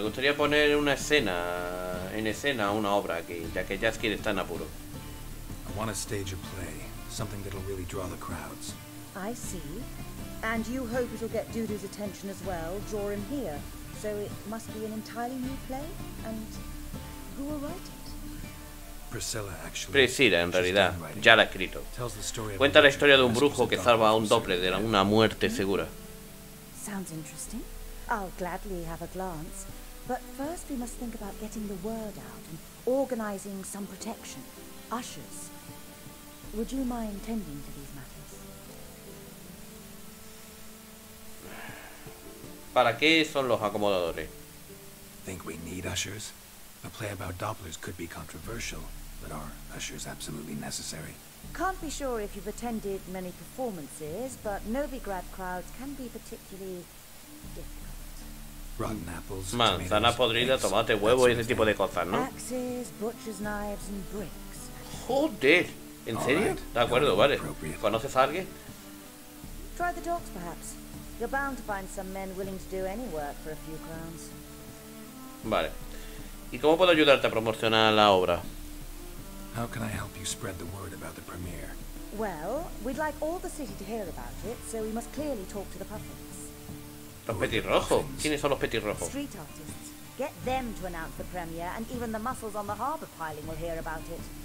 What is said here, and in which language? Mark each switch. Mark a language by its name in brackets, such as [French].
[Spanish] Me gustaría poner una escena en escena una obra aquí, ya que Jaskier está en apuro. [English] I want to stage a play, something that'll really draw the crowds. I see. And you hope it'll get Dudu's attention as well, draw him here. So it must be an entirely new play? And who will write it? Priscilla, actually. [Spanish] Priscilla, en realidad. Ya la ha escrito. Cuenta la historia de un brujo que salva a un doble de una muerte segura. [English] Sounds interesting. I'll gladly have a glance. But first we must think about getting the word out and organizing some protection. Ushers. Would you mind tending to these matters? [Spanish] ¿Para qué son los acomodadores? [English] Think we need ushers? A play about Dopplers could be controversial, but are ushers absolutely necessary? Can't be sure if you've attended many performances, but Novigrad crowds can be particularly difficult. Rotten apples, [Spanish] manzana podrida, tomate, huevo y ese tipo de cosas, ¿no? [English] Axes, butcher's knives and bricks. [Spanish] Joder, ¿en serio? Right. De acuerdo, vale. ¿Conoces a alguien? [English] Try the docks, perhaps. You're bound to find some men willing to do any work for a few crowns. [Spanish] Vale. ¿Y cómo puedo ayudarte a promocionar la obra? How can I help you spread the word about the premiere? [English] Well, we'd like all the city to hear about it, so we must clearly talk to the puffins. [Spanish] ¿Los petirrojos? ¿Quiénes son los petirrojos? [English] Street artists. Get them to announce the premiere, and even the muscles on the harbor piling will hear about it.